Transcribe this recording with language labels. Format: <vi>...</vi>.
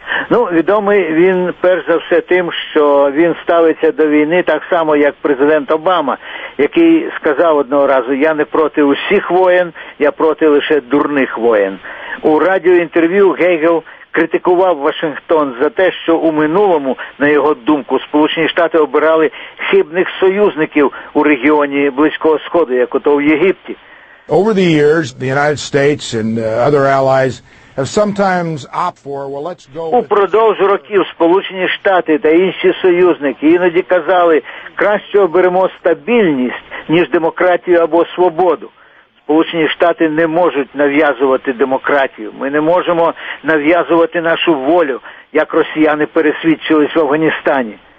<uk>Ну, відомий він перш за все тим, що він ставиться до війни так само, як президент Обама, який сказав одного разу: «Я не проти усіх воєн, я проти лише дурних воєн». У радіоінтерв'ю Гейгл критикував Вашингтон за те, що у минулому, на його думку, Сполучені Штати обирали хибних союзників у регіоні Близького Сходу, як ото в Єгипті.</uk> <en>Over the years, the United States and other allies have sometimes opted for, well, let's go.</en> <uk>Упродовж років Сполучені Штати та інші союзники іноді казали: краще оберемо стабільність, ніж демократію або свободу. Сполучені Штати не можуть нав'язувати демократію. Ми не можемо нав'язувати нашу волю, як росіяни пересвідчились в Афганістані.</uk>